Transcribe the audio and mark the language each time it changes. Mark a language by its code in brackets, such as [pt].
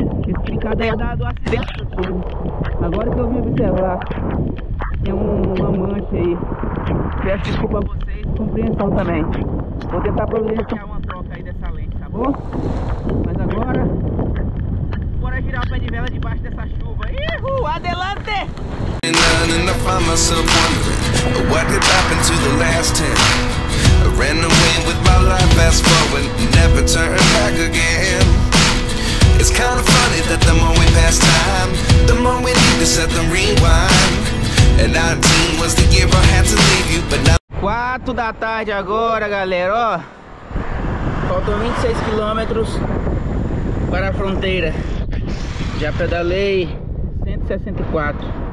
[pt] Explicado aí do acidente. Agora que eu vim observar, tem uma mancha aí. Peço desculpa a vocês, compreensão também. Vou tentar providenciar uma troca aí dessa lente, tá bom? Mas agora, bora girar o pé de vela debaixo dessa chuva. [es] Ihuuu, adelante! [en] And I find myself wondering what did happen to the last 10. I ran away with my life, fast forward, never turn back again. It's kind of funny that the more we pass time, the more we need to set the rewind. And 19 was the year I had to leave you, but now [pt] 4 da tarde agora, galera, ó. Faltam 26 quilômetros para a fronteira. Já pedalei 164.